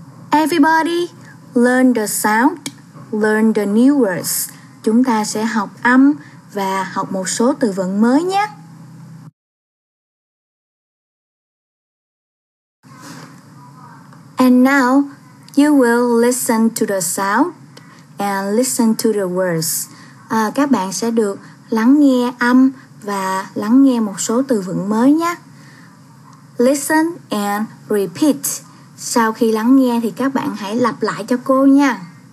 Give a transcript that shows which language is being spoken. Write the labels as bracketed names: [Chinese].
[English] Everybody, learn the sound, learn the new words. [Vietnamese] Chúng ta sẽ học âm và học một số từ vựng mới nhé. [English] And now, you will listen to the sound and listen to the words. [Vietnamese] Các bạn sẽ được lắng nghe âm và lắng nghe một số từ vựng mới nhé. [English] Listen and repeat. [Vietnamese] Sau khi lắng nghe thì các bạn hãy lặp lại cho cô nha.